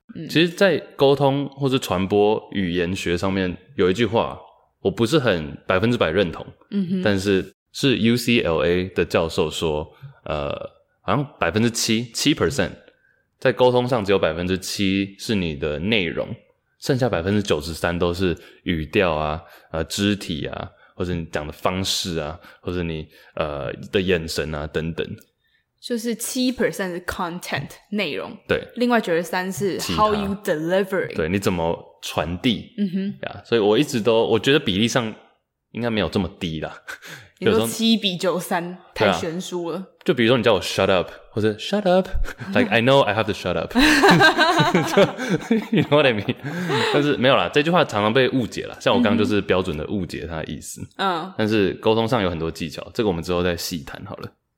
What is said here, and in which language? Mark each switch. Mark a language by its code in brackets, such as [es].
[zh] 其实在沟通或是传播语言学上面有一句话我不是很百分之百认同，但是是 UCLA 的教授说，好像 7% 在沟通上只有 7% 是你的内容，剩下 93% 都是语调啊、肢体啊，或是你讲的方式啊，或是你的眼神啊等等。就是 7% 是 content 内容，对，另外93% 是 [en] how you deliver， [zh] 对，你怎么传递， [en] yeah, [zh] 所以我一直都我觉得比例上应该没有这么低啦。你说7:93太悬殊了、啊、就比如说你叫我 [en] shut up [zh] 或者 [en] shut up like I know I have to shut up you know what I mean， [zh] 但是没有啦，这句话常常被误解啦，像我刚刚就是标准的误解它的意思，但是沟通上有很多技巧，这个我们之后再细谈好了。